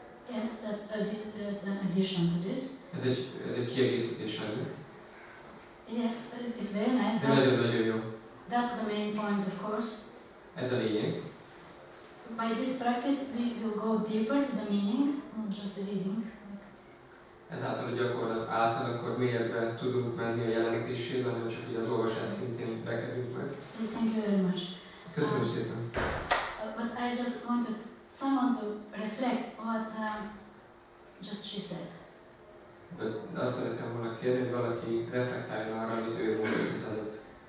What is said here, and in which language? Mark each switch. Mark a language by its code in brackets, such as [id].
[en] Yes, that there is an addition to this. [hu] Ez egy kiegészítés elő. [en] Yes, it's very nice. [hu] Nagyon jó. [en] That's the main point, of course. [hu] Ez a lényeg. [en] By this practice, we will go deeper to the meaning, not just reading. [hu] Ezáltal a gyakorlat által, akkor mélyebbre tudunk menni a jelentésében, nem csak így az olvasás szintén bekerünk meg. [en] Thank you very much. [hu] Köszönöm szépen. [en] But I just wanted someone to reflect what just she said. [hu] De azt szeretem volna kérni, hogy valaki reflektáljon arra, amit ő mondott az előbb.